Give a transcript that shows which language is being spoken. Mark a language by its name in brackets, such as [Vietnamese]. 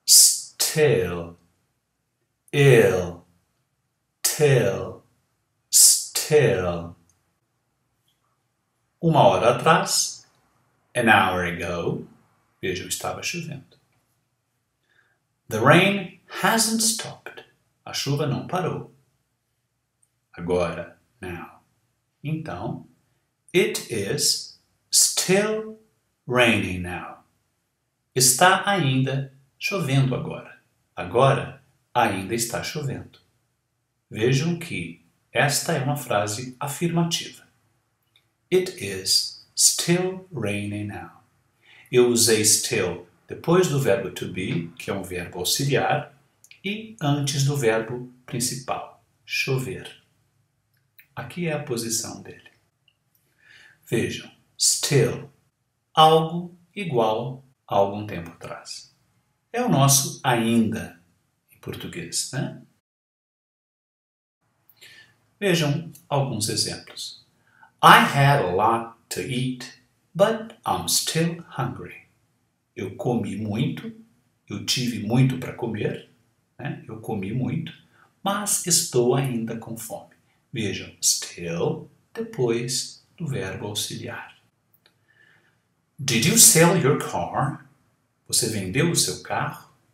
[English] Still, ill, till, still. [Portuguese] Uma hora atrás, [English] an hour ago, [Portuguese] vejam, estava chovendo. [English] The rain hasn't stopped, [Portuguese] a chuva não parou. Agora, now. [English] Então, it is still raining now. [Portuguese] Está ainda chovendo agora. Agora, ainda está chovendo. Vejam que esta é uma frase afirmativa. [English] It is still raining now. [Portuguese] Eu usei still depois do verbo to be, que é um verbo auxiliar, e antes do verbo principal, chover. Aqui é a posição dele. Vejam, still, algo igual a algum tempo atrás. É o nosso ainda em português, né? Vejam alguns exemplos. [English] I had a lot to eat, but I'm still hungry. [Portuguese] Eu comi muito, eu tive muito para comer, né? Eu comi muito, mas estou ainda com fome. Vejam, still, depois do verbo auxiliar. [English] Did you sell your car? [Portuguese] Você vendeu o seu carro?